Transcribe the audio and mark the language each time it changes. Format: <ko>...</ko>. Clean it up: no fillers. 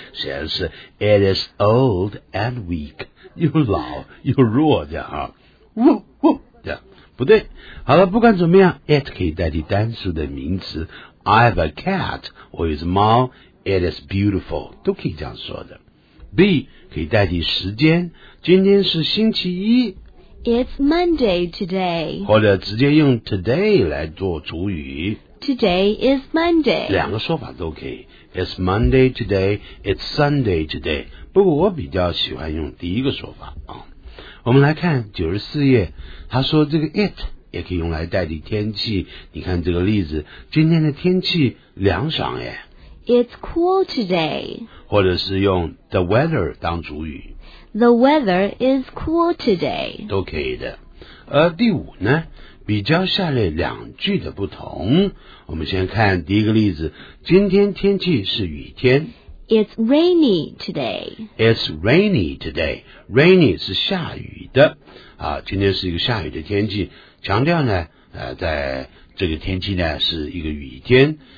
<zh>显然是</zh> <en>It is old and weak,</en> <zh>又老又弱的啊。呜呜，这样不对。好了，不管怎么样 ，It 可以代替单数的名词。</zh> <en>I have a cat.</en> <zh>我有只猫。</zh> <en>It is beautiful. 都可以这样说的。</en> <zh>B 可以代替时间。今天是星期一。</zh> <en>It's Monday today.</en> <zh>或者直接用 today 来做主语。</zh> <en>Today is Monday.</en> <zh>两个说法都可以。</zh> <en>It's Monday today. It's Sunday today.</en> <zh>不过我比较喜欢用第一个说法啊。我们来看94页，他说这个 it 也可以用来代替天气。你看这个例子，今天的天气凉爽耶。</zh> <en>It's cool today.</en> <zh>或者是用 the weather 当主语。</zh> <en>The weather is cool today.</en> <zh>都可以的。而第五呢，比较下列两句的不同。我们先看第一个例子，今天天气是雨天。</zh> <en>It's rainy today. It's rainy today. Rainy 是下雨的。</en> <zh>啊，今天是一个下雨的天气，强调呢，在这个天气呢是一个雨天。</zh>